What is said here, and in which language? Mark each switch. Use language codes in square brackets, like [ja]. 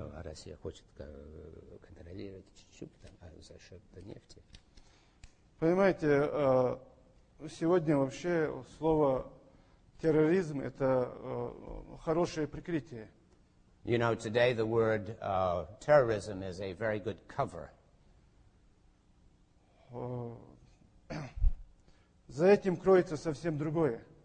[ru] Россия хочет контролировать Чечню за счет нефти. Понимаете, сегодня вообще слово терроризм – это хорошее прикрытие. [en] You know, today the word terrorism is a very good cover. [ru] За этим кроется совсем другое.